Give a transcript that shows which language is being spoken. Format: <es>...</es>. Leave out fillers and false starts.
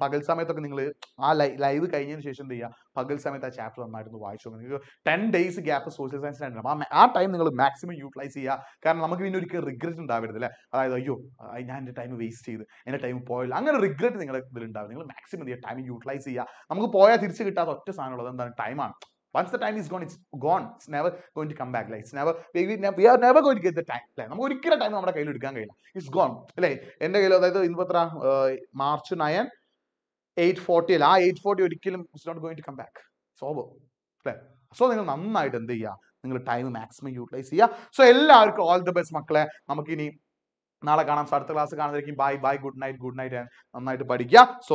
<ml>പകൽ സമയത്തൊക്കെ നിങ്ങൾ ആ ലൈവ് കഴിഞ്ഞതിന് ശേഷം എന്ത് ചെയ്യുക, പകൽ സമയത്ത് ആ ചാപ്റ്റർ നന്നായിട്ട് ഒന്ന് വായിച്ചു. നിങ്ങൾക്ക് 10 days ഗ്യാപ്പ് സോഷ്യൽ സയൻസ് ആയിട്ട് ആ ആ ടൈം നിങ്ങൾ മാക്സിമം യൂട്ടിലൈസ് ചെയ്യുക. കാരണം നമുക്ക് പിന്നെ ഒരിക്കലും റിഗ്രറ്റ് ഉണ്ടാവരുതല്ലേ, അതായത് അയ്യോ ഞാൻ എൻ്റെ ടൈം വേസ്റ്റ് ചെയ്ത്, എൻ്റെ ടൈം പോയല്ലോ, അങ്ങനെ റിഗ്രറ്റ് നിങ്ങളെ ഇതിലുണ്ടാവും. നിങ്ങൾ മാക്സിമം ചെയ്യുക, ടൈം യൂട്ടിലൈസ് ചെയ്യുക. നമുക്ക് പോയാൽ തിരിച്ച് കിട്ടാത്ത ഒറ്റ സാധനമുള്ളത് എന്താണ്, ടൈമാണ്.</ml> <en>Once the time is gone, it's gone. It's never going to come back. Like, it's never, we are never going to get the time.</en> <ml>Like, നമുക്ക് ഒരിക്കലും ടൈം നമ്മുടെ കയ്യിൽ എടുക്കാൻ കഴിയില്ല.</ml> <en>It's gone.</en> <ml>അല്ലേ, എന്റെ കയ്യിൽ, അതായത് ഇന്നിപ്പോ March 9, 8:40 അല്ലേ, ആ 8:40 ഒരിക്കലും</ml> <en>it's not going to come back. It's over.</en> <ml>അല്ലേ, സോ നിങ്ങൾ നന്നായിട്ട് എന്ത് ചെയ്യുക, നിങ്ങൾ ടൈം മാക്സിമം യൂട്ടിലൈസ് ചെയ്യുക. സോ എല്ലാവർക്കും ഓൾ ദി ബെസ്റ്റ് മക്കളെ. നമുക്കിനി നാളെ കാണാം, അടുത്ത class കാണുന്നതായിരിക്കും. Bye bye, good night, good night. നന്നായിട്ട് പഠിക്കുക. സോ</ml>